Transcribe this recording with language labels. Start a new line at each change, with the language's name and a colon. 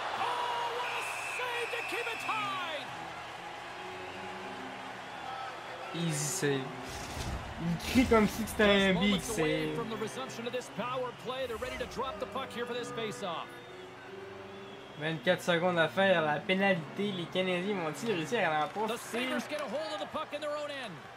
English: Oh, what a save to keep it tied. Easy save.
French: Il crie comme si c'était un
English: big save. From the resumption of this power play, they're ready to drop the puck here for this face-off.
French: 24 secondes à faire, la pénalité, les Canadiens vont-ils réussir à l'emporter?
English: The Sabres get a hold of the puck in their own end.